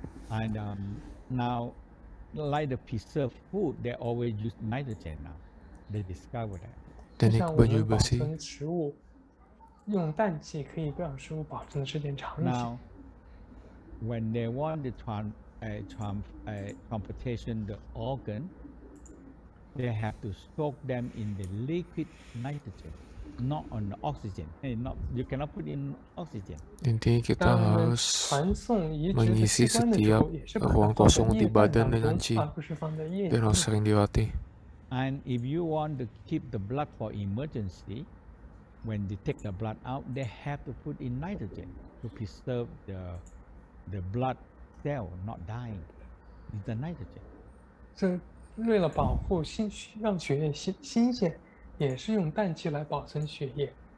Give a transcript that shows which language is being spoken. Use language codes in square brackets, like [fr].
[en] And now, like the preserved food, they always use nitrogen now. They discovered that. [zh] 就像我们保存食物，用氮气可以让食物保存的时间长一些。 [en] Now, when they want to transportation the organ, they have to soak them in the liquid nitrogen, not on the oxygen. Hey, not you cannot put in oxygen. [id] Intinya kita harus mengisi setiap ruang kosong di badan dengan qi, dan harus sering dilatih. [en] And if you want to keep the blood for emergency, when they take the blood out, they have to put in nitrogen to preserve the blood cell not dying. It's the nitrogen. [zh] So 为了保护心血，让血液新鲜，也是用氮气来保存血液。